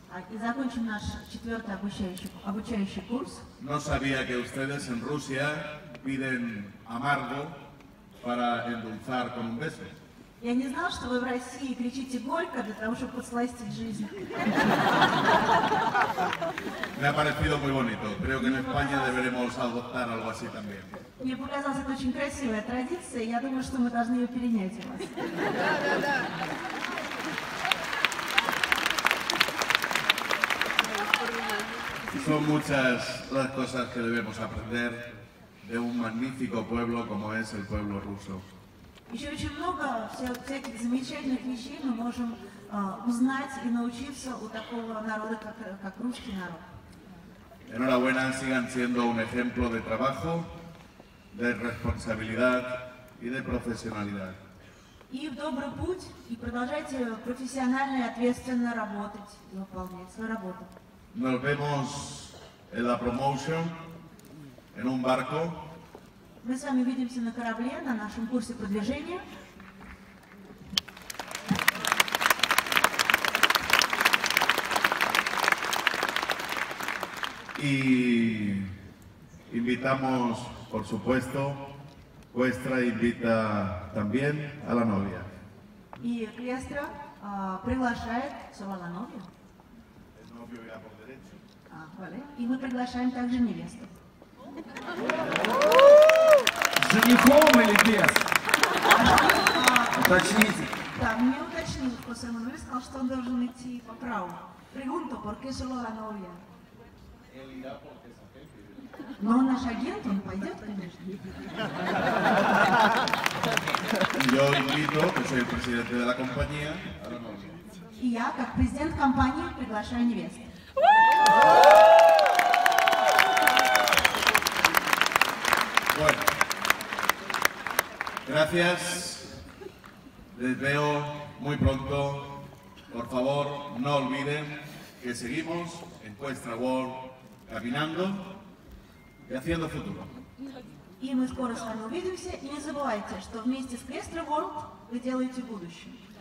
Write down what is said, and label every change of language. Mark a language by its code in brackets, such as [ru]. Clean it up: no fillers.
[ru] И закончим наш четвертый обучающий курс. [es] No sabía que ustedes en Rusia piden amargo para endulzar con un beso. [ru] Я не знал, что вы в России кричите горько для того, чтобы подсластить жизнь. [es] Me ha parecido muy bonito. Creo que en España deberemos adoptar algo así también. [ru] Мне показалась это очень красивая традиция, и я думаю, что мы должны ее перенять у вас. [es] Son muchas las cosas que debemos aprender de un magnífico pueblo como es el pueblo ruso. [ru] Еще очень много всяких замечательных вещей мы можем узнать и научиться у такого народа, как русский народ. [es] Enhorabuena, sigan siendo un ejemplo de trabajo, de responsabilidad y de profesionalidad. [ru] И в добрый путь, и продолжайте профессионально и ответственно работать и выполнять свою работу. [es] Nos vemos en la promotion, en un barco. [ru] Мы с вами увидимся на корабле, на нашем курсе продвижения. [es] Y invitamos, por supuesto, Cuestra invita también a la novia. [ru] И Cuestra приглашает сама [es] la novia. El novio ya por derecho. [ru] И мы приглашаем также невесту. Женихом или без? Уточните. Да, мне уточнили, после Эммануэля сказал, что он должен идти по праву. [es] Pregunto, ¿por qué solo la novia? [ru] Но наш агент, он пойдет, конечно. [es] Yo invito, que soy el presidente de la compañía, a la novia. [ru] И я, как президент компании, приглашаю невесту. [es] Bueno, gracias. Les veo muy pronto. Por favor, no olviden que seguimos en Cuesta World caminando y haciendo futuro. [ru] Y мы скоро с вами увидимся. И не забывайте, что вместе с Cuesta World вы делаете будущее.